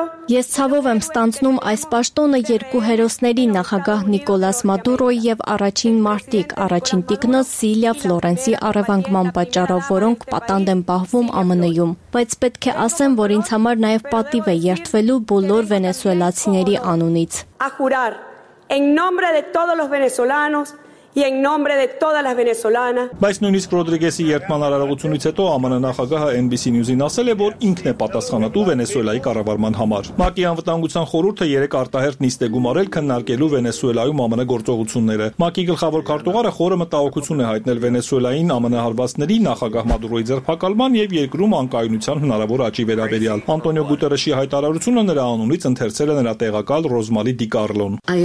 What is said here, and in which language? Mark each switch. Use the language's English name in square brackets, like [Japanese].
[Armenian] Ես ցավով եմ ստանձնում այս պաշտոնը երկու հերոսների՝ նախագահ Նիկոլաս Մադուրոյի եւ առաջին մարտիկ, առաջին տիկնոս Սիլիա Ֆլորենսի առևանգման պատճառով, որոնք պատանդ են պահվում ԱՄՆ-ում, բայց պետք է ասեմ, որ ինձ համար նաեւ պատիվ է երթվելու բոլոր վենեսուելացիների անունից։ [Spanish] Y en nombre de todas las venezolanas. [Armenian] Բայց նույնիսկ Ռոդրիգեսի երթման արարողությունից հետո ԱՄՆ նախագահը NBC News-ին ասել է, որ ինքն է պատասխանատու Վենեսուելայի կառավարման համար։ ՄԱԿ-ի անվտանգության խորհուրդը 3 արտահերթ նիստ է գումարել քննարկելու Վենեսուելայում ԱՄՆ գործողությունները։ ՄԱԿ-ի գլխավոր քարտուղարը խորը մտահոգություն է հայտնել Վենեսուելային ԱՄՆ հարվածների, նախագահ Մադուրոյի ձերբակալման եւ երկրում անկայունության հնարավոր աճի վերաբերյալ։ Անտոնիո Գուտերեշի հայտարարությունը նրա անունից ընթերցել է նրա տեղակալ Ռոզմալի Դի Կարլոն։